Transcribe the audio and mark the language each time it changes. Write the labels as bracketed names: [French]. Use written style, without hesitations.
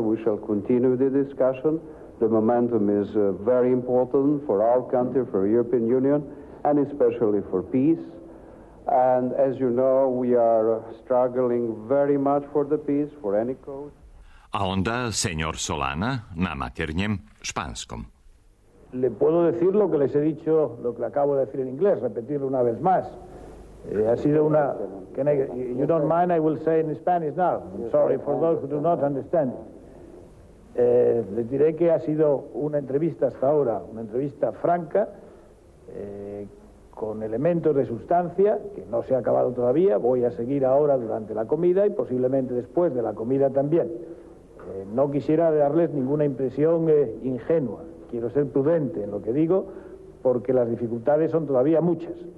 [English] We shall continue the discussion. The momentum is very important for our country, for European Union, and especially for peace. And as you know, we are struggling very much for the peace, for any cause. [Serbian] A onda, señor Solana, na maternjem španskom. [Spanish] Le puedo decir lo que les he dicho, lo que acabo de decir en inglés, repetirlo una vez más. Ha sido una... [English] You don't mind, I will say in Spanish now. I'm sorry for those who do not understand. [Spanish] Les diré que ha sido una entrevista hasta ahora, una entrevista franca, con elementos de sustancia, que no se ha acabado todavía. Voy a seguir ahora durante la comida y posiblemente después de la comida también. No quisiera darles ninguna impresión ingenua. Quiero ser prudente en lo que digo, porque las dificultades son todavía muchas.